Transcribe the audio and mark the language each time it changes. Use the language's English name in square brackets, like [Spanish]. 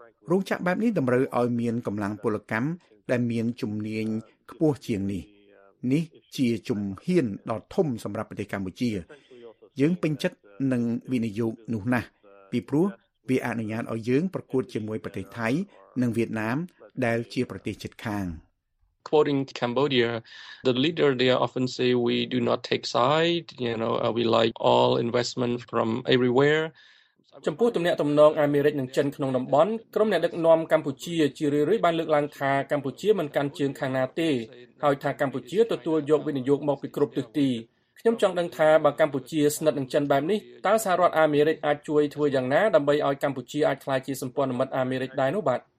[Khmer] រោងចក្របែបនេះតម្រូវឲ្យមានកម្លាំងពលកម្មដែលមានជំនាញខ្ពស់ជាងនេះនេះជាជំហានដ៏ធំសម្រាប់ប្រទេសកម្ពុជាយើងពេញចិត្តនឹងវិនិយោគនោះណាស់ពីព្រោះវាអនុញ្ញាតឲ្យយើងប្រកួតជាមួយប្រទេសថៃនិងវៀតណាមដែលជាប្រទេសជិតខាង [English] Quoting Cambodia the leader there often say we do not take side you know we like all investment from everywhere [Khmer] ចំពោះទំនាក់ទំនងអាមេរិកនិងចិនក្នុងតំបន់ក្រុមអ្នកដឹកនាំកម្ពុជាជារឿយៗបានលើកឡើងថាកម្ពុជាមិនកាន់ជើងខាងណាទេហើយថាកម្ពុជាទទួលយកវិនិយោគមកពីគ្រប់ទិសទីខ្ញុំចង់ដឹងថាបើកម្ពុជាស្និទ្ធនឹងចិនបែបនេះតើសហរដ្ឋអាមេរិកអាចជួយធ្វើយ៉ាងណាដើម្បីឲ្យកម្ពុជាអាចក្លាយជាសម្ព័ន្ធមិត្តអាមេរិកដែរនោះបាទ